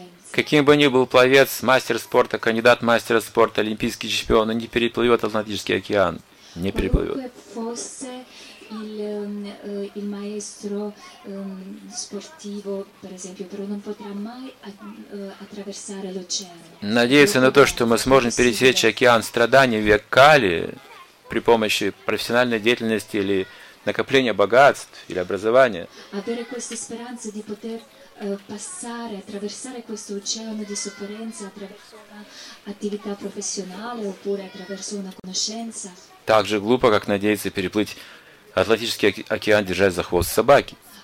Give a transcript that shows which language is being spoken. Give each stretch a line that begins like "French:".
Russian: Каким бы ни был пловец, мастер спорта, кандидат мастера спорта, олимпийский чемпион, он не переплывет Атлантический океан. Не переплывет.
Italian: Il maestro sportivo, per esempio, però non potrà mai attraversare l'oceano.
Russian: Надеяться на то, что мы сможем пересечь океан страданий век Кали при помощи профессиональной деятельности или накопления богатств или образования.
Italian: Avere questa speranza di poter passare, attraversare questo oceano di sofferenza attraverso un'attività professionale oppure attraverso una conoscenza.
Russian: Так же глупо, как надеяться переплыть Атлантический океан, держать за хвост собаки.